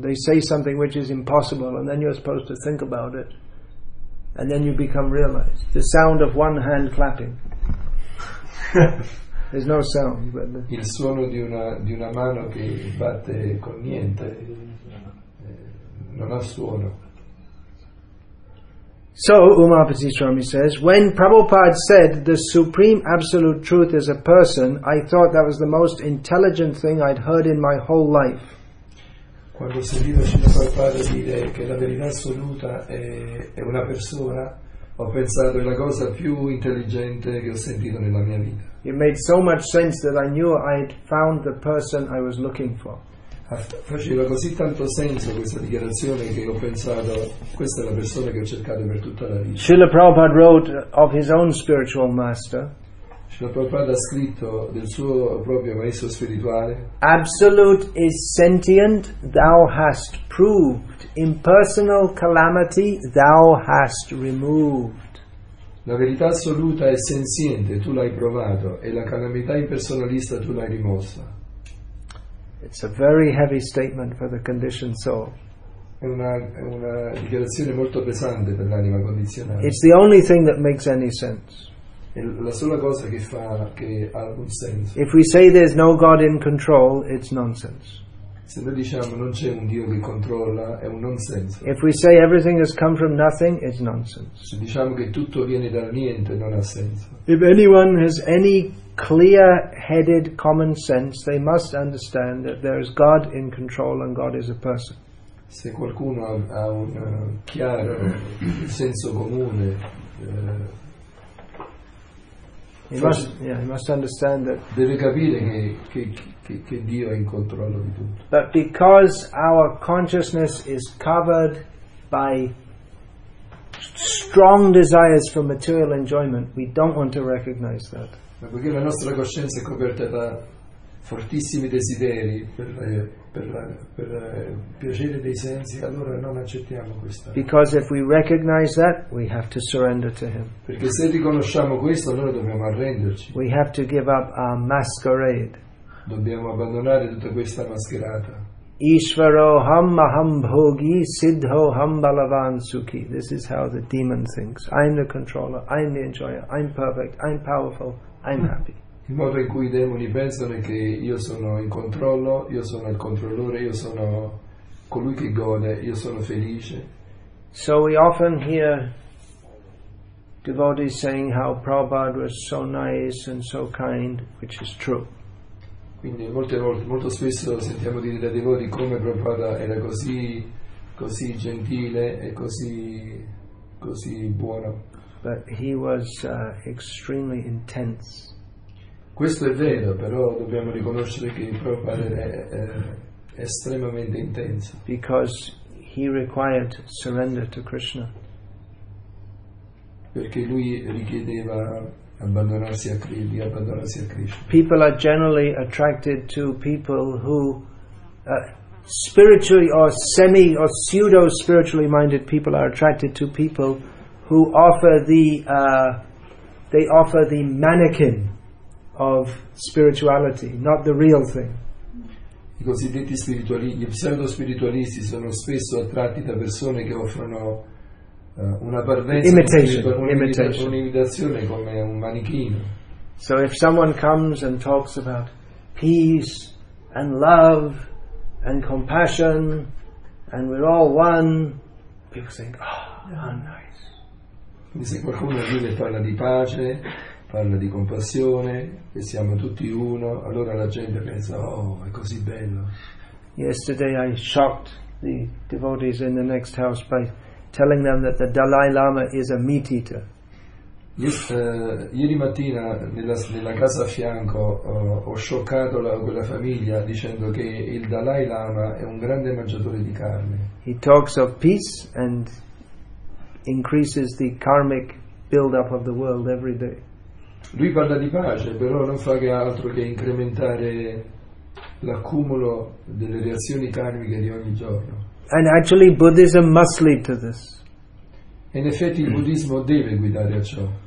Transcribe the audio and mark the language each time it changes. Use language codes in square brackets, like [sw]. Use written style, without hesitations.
[en] They say something which is impossible, and then you're supposed to think about it, and then you become realized. The sound of one hand clapping. There's no sound, but [it] il suono di una mano che batte con niente non ha suono. [en] So Umapati Swami says, when Prabhupada said the supreme absolute truth is a person, I thought that was the most intelligent thing I'd heard in my whole life. [it] Quando sentivo Prabhupada dire che la verità assoluta è una persona, ho pensato è la cosa più intelligente che ho sentito nella mia vita. [en] It made so much sense that I knew I had found the person I was looking for. [it] Faceva così tanto senso questa dichiarazione che ho pensato questa è la persona che ho cercato per tutta la vita. [en] Srila Prabhupada wrote of his own spiritual master. [it] Srila Prabhupada ha scritto del suo proprio maestro spirituale. [en] Absolute is sentient, thou hast proved. Impersonal calamity, thou hast removed. [it] La verità assoluta è senziente, tu l'hai provato, e la calamità impersonalista tu l'hai rimossa. [en] It's a very heavy statement for the conditioned soul. [it] È una dichiarazione molto pesante per l'anima condizionata. [en] It's the only thing that makes any sense. [it] È la sola cosa che fa che ha un senso. [en] If we say there's no God in control, it's nonsense. [it] Se noi diciamo non c'è un Dio che controlla, è un nonsense. [en] If we say everything has come from nothing, it's nonsense. [it] Se diciamo che tutto viene dal niente, non ha senso. [en] If anyone has any clear-headed common sense, they must understand that there is God in control and God is a person. [it] Se qualcuno ha un chiaro senso comune, [en] he must understand that. [it] Deve capire che Dio è in controllo di tutto. [en] But because our consciousness is covered by strong desires for material enjoyment, we don't want to recognize that. [it] Ma perché la nostra coscienza è coperta da fortissimi desideri per piacere dei sensi, allora non accettiamo questo. [en] Because if we recognize that, we have to surrender to him. [it] Perché se riconosciamo questo, allora dobbiamo arrenderci. [en] We have to give up our masquerade. [it] Dobbiamo abbandonare tutta questa mascherata. [sa] Ishvaro ham aham bhogi siddho ham balavan sukhi. [en] This is how the demon thinks. I'm the controller, I'm the enjoyer, I'm perfect, I'm powerful, I'm happy. [it] Il modo in cui i demoni pensano è che io sono in controllo, io sono il controllore, io sono colui che gode, io sono felice. [en] So we often hear devotees saying how Prabhupada was so nice and so kind, which is true. [it] Quindi molte volte, molto spesso sentiamo dire da devoti come Prabhupada era così gentile e così buono. [en] But he was extremely intense. [it] Questo è vero, però dobbiamo riconoscere che il Prabhupada era estremamente intenso. [en] Because he required surrender to Krishna. [it] Perché lui richiedeva abbandonarsi a Krishna. [en] People are generally attracted to people who spiritually or semi or pseudo spiritually minded people are attracted to people who offer the mannequin of spirituality, not the real thing. [it] I cosiddetti spiritualisti, gli pseudo spiritualisti sono spesso attratti da persone che offrono una parvenza, un'imitazione come un manichino. [en] So if someone comes and talks about peace and love and compassion and we're all one, people think, oh, nice. [it] Quindi se qualcuno viene e parla di pace, parla di compassione, e siamo tutti uno, allora la gente pensa, oh, è così bello. [en] Yesterday I shocked the devotees in the next house by telling them that the Dalai Lama is a meat eater. [it] Ieri mattina nella casa a fianco ho scioccato quella famiglia dicendo che il Dalai Lama è un grande mangiatore di carne. [en] He talks of peace and increases the karmic build-up of the world every day. [it] Lui parla di pace, però non fa che altro che incrementare l'accumulo delle reazioni karmiche di ogni giorno. [en] And actually Buddhism must lead to this. [it] In effetti il buddismo deve guidare a ciò.